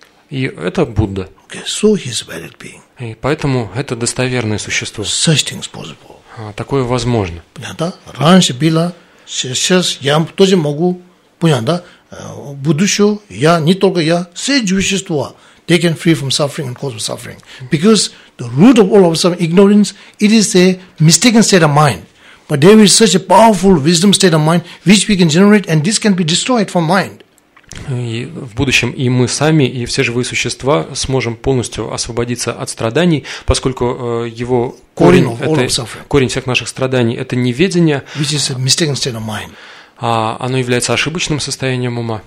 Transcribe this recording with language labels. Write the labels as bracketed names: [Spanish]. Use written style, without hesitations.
[Russian] И это Будда. [English] Okay, so he's a valid being. [Russian] И поэтому это достоверное существо. [English] Such things possible. [Russian] Такое возможно. Понятно? Раньше было, сейчас я тоже могу, понятно, да? Будущее, я, не только я, все существа. [English] They can free from suffering and cause of suffering. Because the root of all of our ignorance, it is a mistaken state of mind. But there is such a powerful wisdom state of mind, which we can generate, and this can be destroyed from mind. [Russian] И в будущем и мы сами, и все живые существа сможем полностью освободиться от страданий, поскольку его корень всех наших страданий – это неведение. [English] Which is a mistaken state of mind. [Russian] А оно является ошибочным состоянием ума.